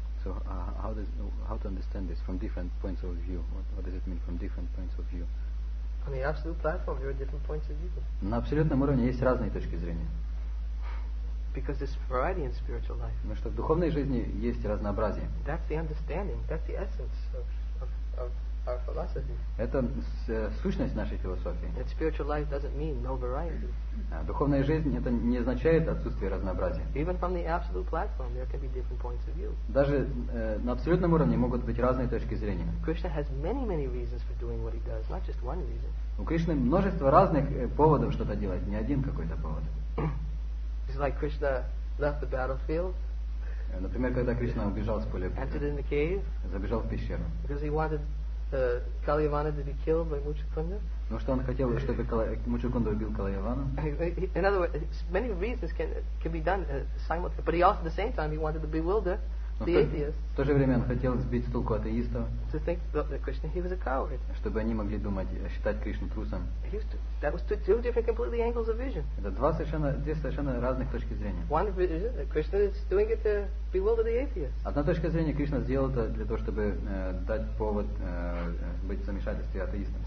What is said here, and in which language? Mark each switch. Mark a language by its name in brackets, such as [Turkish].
[English] So how to understand this from different points of view? What does it mean from different points of view? On the absolute platform, there are different points of view. [Russian] На абсолютном уровне есть разные точки зрения. [English] Because there's variety in spiritual life. [Russian] Потому что в духовной жизни есть разнообразие. [English] That's the understanding. That's the essence of our philosophy. [Russian] Это сущность нашей философии. [English] That spiritual life doesn't mean no variety. [Russian] Духовная жизнь это не означает отсутствие разнообразия. [English] Even from the absolute platform, there can be different points of view. [Russian] Даже на абсолютном уровне могут быть разные точки зрения. [English] Krishna has many, many reasons for doing what he does, not just one reason. [Russian] У Кришны множество разных поводов что-то делать, не один какой-то повод. [English] It's like Krishna left the battlefield. [Russian] Например, когда Кришна убежал с поля боя. [English] Entered in the cave. [Russian] Забежал в пещеру. [English] Because he wanted Kaliyavana to be killed by Muchukunda. [Russian] Ну что он хотел, чтобы Мучукунда убил Калиявану? [English] In other words, many reasons can be done simultaneously. But he also, at the same time, he wanted to bewilder the atheists. [Russian] В то же время он хотел сбить с толку атеистов. [English] To think that Krishna, he was a coward. [Russian] Чтобы они могли думать, считать Кришну трусом. [English] That was two different completely angles of vision. [Russian] Это две совершенно разных точки зрения. [English] One vision, Krishna is doing it to bewilder the atheists. [Russian] Одна точка зрения, Кришна сделал это для того, чтобы дать повод быть в замешательстве атеистам.